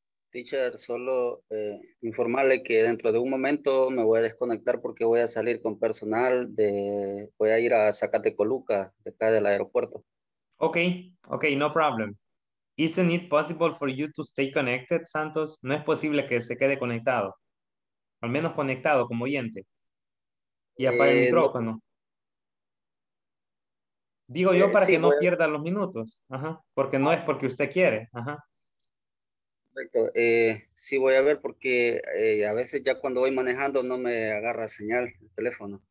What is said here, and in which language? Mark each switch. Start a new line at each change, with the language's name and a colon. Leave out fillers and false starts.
Spanish: Teacher, solo informarle que dentro de un momento me voy a desconectar porque voy a salir con personal de, voy a ir a Zacatecoluca, de acá del aeropuerto.
English: Okay, okay, no problem. Isn't it possible for you to stay connected, Santos?
Spanish: No es posible que se quede conectado, al menos conectado como oyente. Y apague el micrófono. No. Digo yo para sí, que no pierda los minutos, ajá, porque no es porque usted quiere, ajá. Perfecto. Sí, voy a ver porque a veces ya cuando voy manejando no me agarra señal el teléfono.